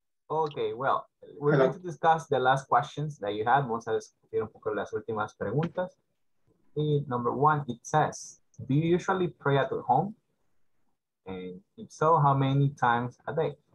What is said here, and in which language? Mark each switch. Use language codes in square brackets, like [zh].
[en] Okay, well, we're going to discuss the last questions that you had. [es] Vamos a discutir un poco las últimas preguntas. [en] Y number one, it says, do you usually pray at home? And if so, how many times a day?